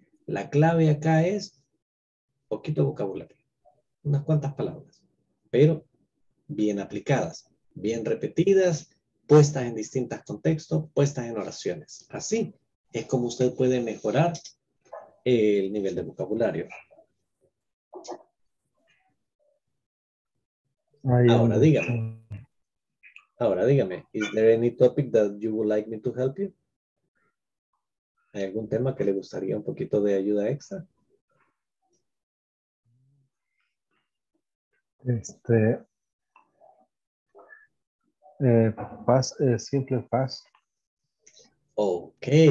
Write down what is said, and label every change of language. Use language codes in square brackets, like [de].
[es] La clave acá es poquito vocabulario, unas cuantas palabras, pero bien aplicadas, bien repetidas, puestas en distintos contextos, puestas en oraciones. Así es como usted puede mejorar el nivel de vocabulario. Ahora dígame. [en] Is there any topic that you would like me to help you? [es] ¿Hay algún tema que le gustaría un poquito de ayuda extra? [en] Este. Simple pass. Ok.